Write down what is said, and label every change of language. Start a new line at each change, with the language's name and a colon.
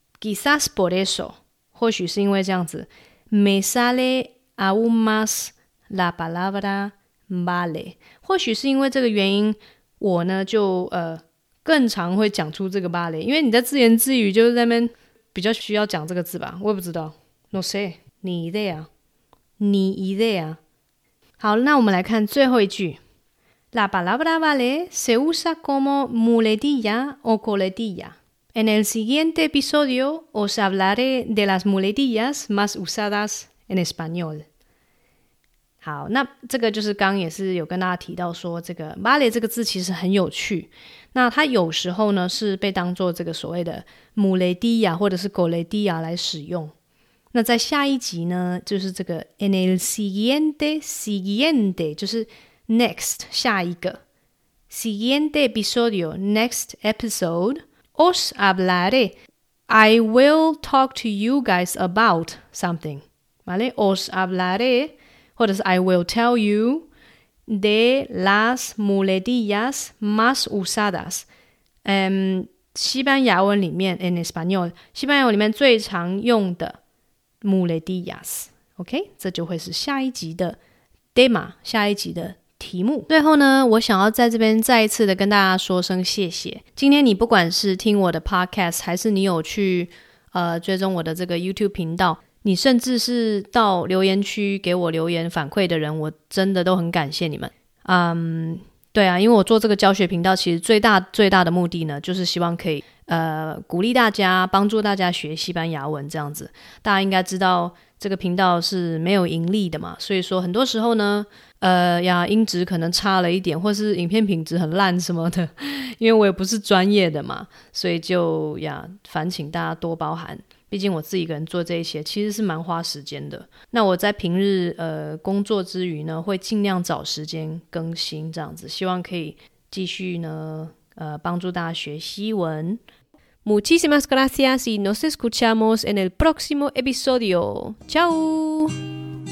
Spanish: quizás por eso，
Chinese: 或许是因为这样子。
Spanish: me sale aún más la palabra vale，
Chinese: 或许是因为这个原因，我呢就更常会讲出这个 vale， 因为你在自言自语就是在那边比较需要讲这个字吧。我也不知道，
Spanish: no sé，
Chinese: 你 idea， 你 idea。好，那我们来看最后一句。
Spanish: La palabra vale se usa como muletilla o coletilla. En el siguiente episodio os hablaré de las muletillas más usadas en español.
Chinese: 好，那这个就是刚也是有跟大家提到说，这个 vale 这个字其实很有趣。那它有时候呢是被当作这个所谓的 muletilla 或者是 coletilla 来使用。那在下一集呢，就是这个
Spanish: en el siguiente，
Chinese: siguiente 就是 next， 下一个
Spanish: siguiente episodio，
English: next episode，
Spanish: os hablaré，
English: I will talk to you guys about something，
Chinese: ¿vale?
Spanish: os hablaré，
Chinese: 或者是
English: I will tell you
Spanish: de las muletillas más usadas，
Chinese: 西班牙文里面
Spanish: en español，
Chinese: 西班牙文里面最常用的muletillas， OK， 这就会是下一集的 demo， 下一集的题目。最后呢，我想要在这边再一次的跟大家说声谢谢。今天你不管是听我的 podcast， 还是你有去追踪我的这个 YouTube 频道，你甚至是到留言区给我留言反馈的人，我真的都很感谢你们。对啊，因为我做这个教学频道其实最大最大的目的呢，就是希望可以鼓励大家，帮助大家学西班牙文这样子。大家应该知道这个频道是没有盈利的嘛，所以说很多时候呢音质可能差了一点，或是影片品质很烂什么的，因为我也不是专业的嘛，所以就烦请大家多包涵。毕竟我自己一个人做这些其实是蛮花时间的。那我在平日工作之余呢，会尽量找时间更新这样子，希望可以继续呢帮助大家学西文。
Spanish: Muchísimas gracias y nos escuchamos en el próximo episodio. Chao!